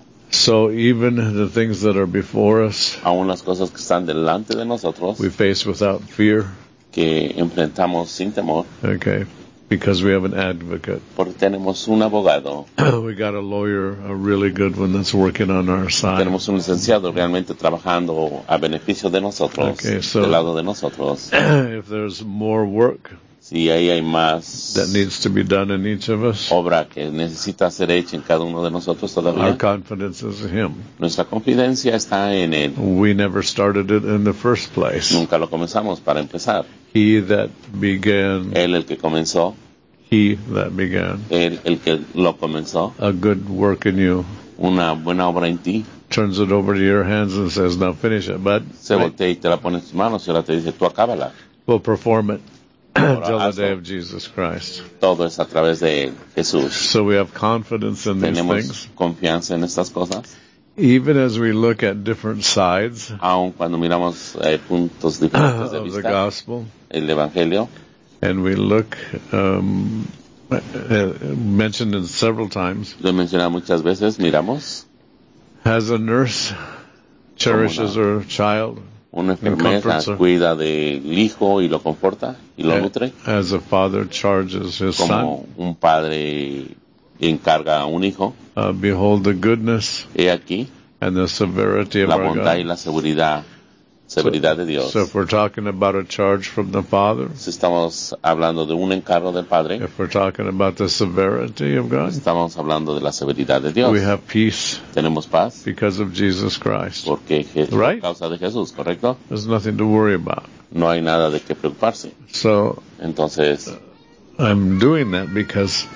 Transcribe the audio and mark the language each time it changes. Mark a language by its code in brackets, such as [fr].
[en] So even the things that are before us, [es] aún las cosas que están delante de nosotros, [en] we face without fear, [es] que enfrentamos sin temor. [en] Okay, because we have an advocate. [es] Porque tenemos un abogado. [en] We got a lawyer, a really good one that's working on our side. [es] Tenemos un licenciado realmente trabajando a beneficio de nosotros, [en] okay, so, [es] del lado de nosotros. [en] If there's more work, [es] si ahí hay más [en] that needs to be done in each of us, [es] obra que necesita ser hecha en cada uno de nosotros todavía. [en] Our confidence is in him. [es] Nuestra confidencia está en él. [en] We never started it in the first place. [es] Nunca lo comenzamos para empezar. [en] He that began. [es] Él el que comenzó. [en] He that began. [es] Él el que lo comenzó. [en] A good work in you. [es] Una buena obra en ti. [en] Turns it over to your hands and says, "Now finish it." But [es] se voltea y te la pone en tus manos y ahora te dice, "Tú acábala." [en] We'll perform it till the day of Jesus Christ. [es] Todo es a través de Jesús. [en] So we have confidence in [es] Tenemos [en] these things. [es] Tenemos confianza en estas cosas. [en] Even as we look at different sides, [es] aun cuando miramos puntos diferentes de vista, [en] of the gospel, [es] el evangelio, [en] and we look mentioned it several times, [es] lo he mencionado muchas veces, miramos, [en] as a nurse cherishes her child, [es] una enfermera cuida del hijo y lo conforta y lo nutre, [en] as a father charges his [es] como [en] son, [es] un padre encarga a un hijo. [en] Behold the goodness [es] aquí, [en] and the severity [es] la [en] of our God. [es] Y la seguridad severidad de Dios. [en] So if we're talking about a charge from the Father, [es] si estamos hablando de un encargo del Padre, [en] if we're talking about the severity of God, [es] estamos hablando de la severidad de Dios, [en] we have peace, [es] tenemos paz, [en] because of Jesus Christ, [es] porque [en] right? [es] Por causa de Jesús, ¿correcto? [en] There's nothing to worry about. [es] No hay nada de qué preocuparse. [en] So, [es] entonces, [en] I'm doing that because